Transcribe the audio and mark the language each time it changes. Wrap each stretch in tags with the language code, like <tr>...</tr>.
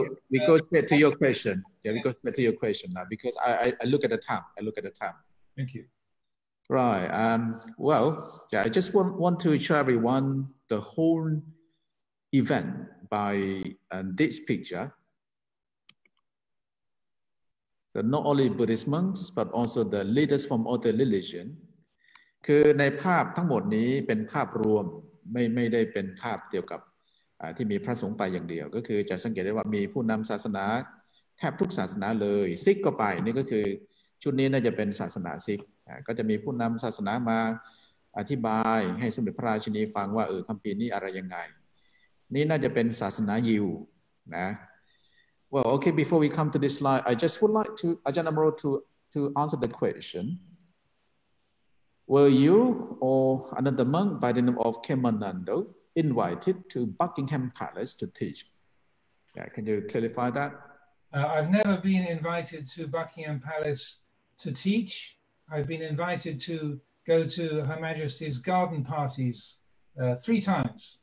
<en>we go straight to your question. Yeah, we go straight to your question now because I look at the time. Thank you. Right. I just want to show everyone the whole event by this picture. So not only Buddhist monks but also the leaders from other religion</en> <th>คือในภาพทั้งหมดนี้เป็นภาพรวมไม่ได้เป็นภาพเดียวกับที่มีพระสงฆ์ไปอย่างเดียวก็คือจะสังเกตได้ว่ามีผู้นำศาสนาแทบทุกศาสนาเลยซิกก็ไปนี่ก็คือชุดนี้น่าจะเป็นศาสนาซิกก็จะมีผู้นำศาสนามา อธิบายให้สมเด็จพระราชินีฟังว่าคัมภีร์นี้อะไรยังไงนี่น่าจะเป็นศาสนายิวนะ</th> <en>Well, okay, before we come to this slide, I just would like to, Ajahn Amro, to answer the question. Were you or another monk by the name of Kemanando invited to Buckingham Palace to teach? Yeah, can you clarify that? I've never been invited to Buckingham Palace to teach. I've been invited to go to Her Majesty's garden parties three times.</en>